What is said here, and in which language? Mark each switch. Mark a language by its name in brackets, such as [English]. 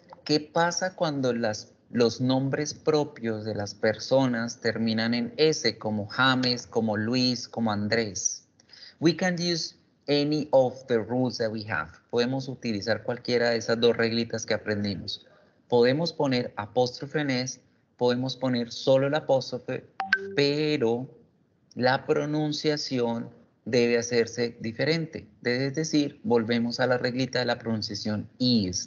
[Spanish] ¿Qué pasa cuando los nombres propios de las personas terminan en S, como James, como Luis, como Andrés? [English] We can use any of the rules that we have. [Spanish] Podemos utilizar cualquiera de esas dos reglitas que aprendimos. Podemos poner apóstrofe en S, podemos poner solo el apóstrofe, pero la pronunciación debe hacerse diferente. Es decir, volvemos a la reglita de la pronunciación is.